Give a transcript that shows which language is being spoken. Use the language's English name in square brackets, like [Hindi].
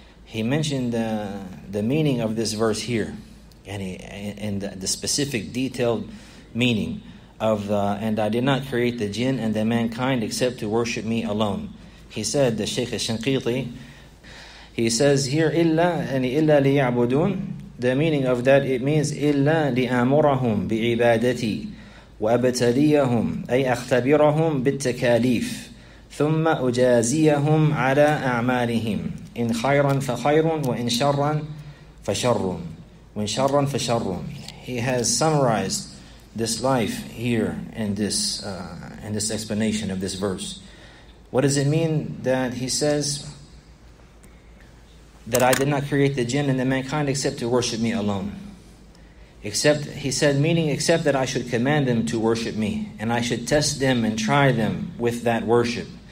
[English] He mentioned the meaning of this verse here, and the specific detailed meaning of, and I did not create the jinn and the mankind except to worship me alone. He said, the Shaykh al-Shinqiti, he says here, [Arabic] إِلَّا لِيَعْبُدُونَ. [English] The meaning of that, it means, [Arabic] إِلَّا لِأَمُرَهُمْ بِعِبَادَتِي وَأَبْتَلِيَهُمْ أَيْ أَخْتَبِرَهُمْ بِالتَّكَالِيفِ ثُمَّ أُجَازِيَهُمْ عَلَىٰ أَعْمَالِهِمْ إِنْ خَيْرًا فَخَيْرٌ وَإِنْ شَرًّا فَشَرٌ وَإِنْ شَرًّا فَشَرٌ. [English] He has summarized this life here in this explanation of this verse. What does it mean that he says that I did not create the jinn and the mankind except to worship me alone? Except, he said, meaning except that I should command them to worship me, and I should test them and try them with that worship.